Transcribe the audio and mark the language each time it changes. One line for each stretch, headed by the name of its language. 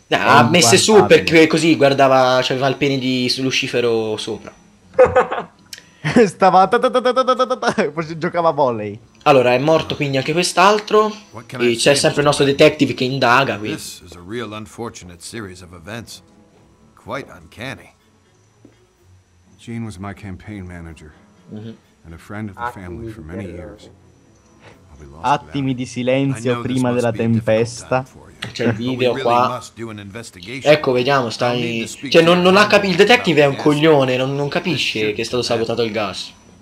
Italian: Ha messe su perché così guardava, c'aveva il pene di Lucifero sopra. Stava... giocava a volley. Allora, è morto quindi anche quest'altro. E c'è sempre il nostro detective che indaga qui. Questa è una
English: real unfortunate series of events. Quite uncanny. Gene was my campaign manager. And a friend of the family for many years.
Italian: Attimi di silenzio prima della tempesta. C'è il video qua. Ecco, vediamo, stai... cioè, non ha capito. Il detective è un coglione, non capisce che è stato sabotato il gas.